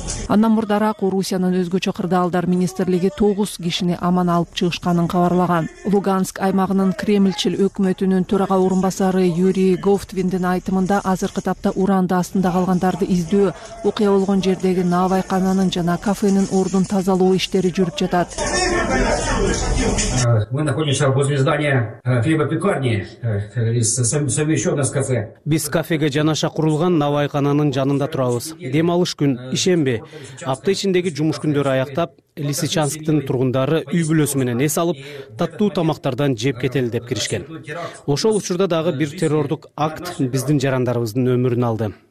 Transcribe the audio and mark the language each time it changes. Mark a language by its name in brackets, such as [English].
[Kyrgyz] Андан мурдараак Орусиянын өзгөчө кырдаалдар министрлиги 9 кишини аман алып чыгышканын кабарлаган. Луганск аймагынын Кремльчил өкмөтүнүн төрага орун басары Юрий Говтвиндин айтымында азыркы тапта уранды астында калгандарды издөө, окуя болгон жердеги наабайкананын жана кафенин ордун тазалоо иштери жүрүп жатат. [Russian] Мы находимся возле здания хлебопекарни, совмещённое с кафе. [Kyrgyz] Биз кафеге жанаша курулган наабайкананын жанында турабыз. Дем алыш күн, ишемби, апта ичиндеги жумуш күндөрү аяктап, Лисичанскдын тургундары үй бүлөсү менен эс алып, таттуу тамактардан жеп кетели деп киришкен. Ошол учурда дагы бир террордук акт биздин жарандарыбыздын өмүрүн алды.